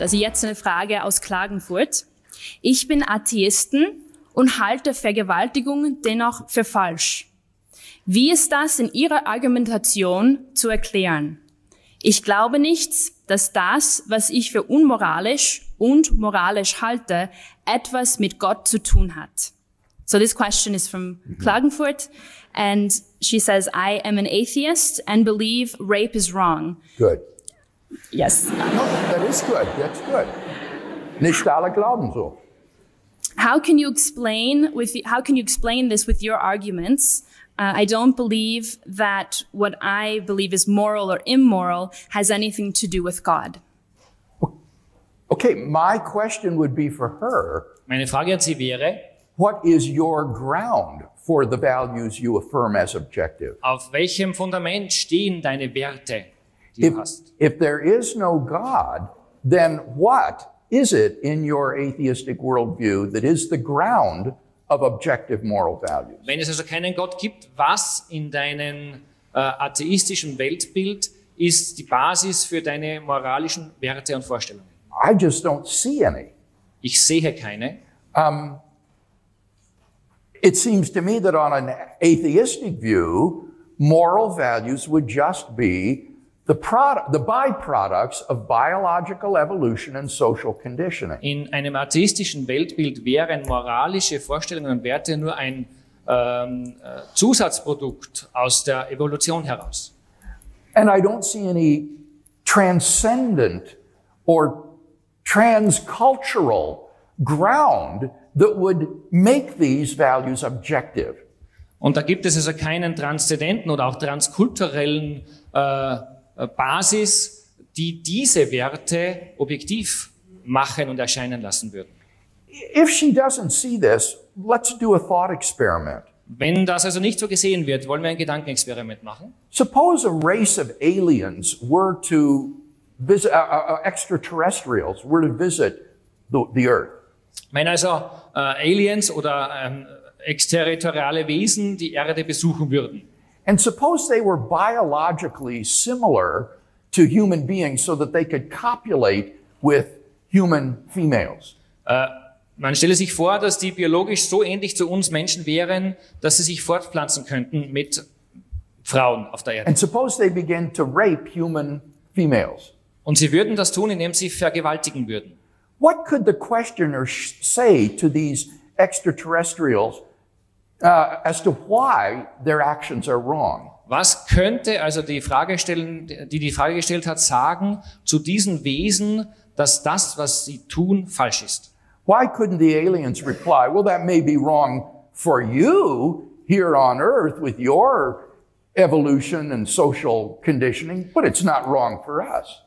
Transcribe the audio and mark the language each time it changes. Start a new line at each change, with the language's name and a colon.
German: Also jetzt eine Frage aus Klagenfurt. Ich bin Atheisten und halte Vergewaltigung dennoch für falsch. Wie ist das in Ihrer Argumentation zu erklären? Ich glaube nicht, dass das, was ich für unmoralisch und moralisch halte, etwas mit Gott zu tun hat.
English: So this question is from Klagenfurt, and she says, I am an atheist and believe rape is wrong. Good. Yes. No, that is good. That's good.
German: Nicht alle glauben so.
English: How can you explain this with your arguments? I don't believe that what I believe is moral or immoral has anything to do with God. Okay, my question would be for her.
German: Meine Frage an Sie wäre,
English: what is your ground for the values you affirm as objective?
German: Auf welchem Fundament stehen deine Werte, die du hast?
English: If there is no God, then what is it in your atheistic worldview that is the ground of objective moral values?
German: Wenn es also keinen Gott gibt, was in deinem atheistischen Weltbild ist die Basis für deine moralischen Werte und Vorstellungen?
English: I just don't see any.
German: Ich sehe keine.
English: It seems to me that on an atheistic view, moral values would just be the byproducts of biological evolution and social conditioning.
German: In einem atheistischen Weltbild wären moralische Vorstellungen und Werte nur ein Zusatzprodukt aus der Evolution heraus.
English: And I don't see any transcendent or transcultural ground that would make these values objective.
German: Und da gibt es also keinen transzendenten oder auch transkulturellen Basis, die diese Werte objektiv machen und erscheinen lassen würden.
English: If she doesn't see this, let's do a thought experiment.
German: Wenn das also nicht so gesehen wird, wollen wir ein Gedankenexperiment machen?
English: Suppose a race of aliens were to visit, extraterrestrials were to visit the Earth.
German: Wenn also Aliens oder exterritoriale Wesen die Erde besuchen würden.
English: And suppose they were biologically similar to human beings so that they could copulate with human females.
German: Man stelle sich vor, dass die biologisch so ähnlich zu uns Menschen wären, dass sie sich fortpflanzen könnten mit Frauen auf der Erde.
English: And suppose they began to rape human females.
German: Und sie würden das tun, indem sie vergewaltigen würden.
English: What could the questioner say to these extraterrestrials as to why their actions are wrong?
German: Was könnte also die Fragestellerin, die die Frage gestellt hat, sagen zu diesen Wesen, dass das, was sie tun, falsch ist?
English: Why couldn't the aliens reply, well, that may be wrong for you here on Earth with your evolution and social conditioning, but it's not wrong for us.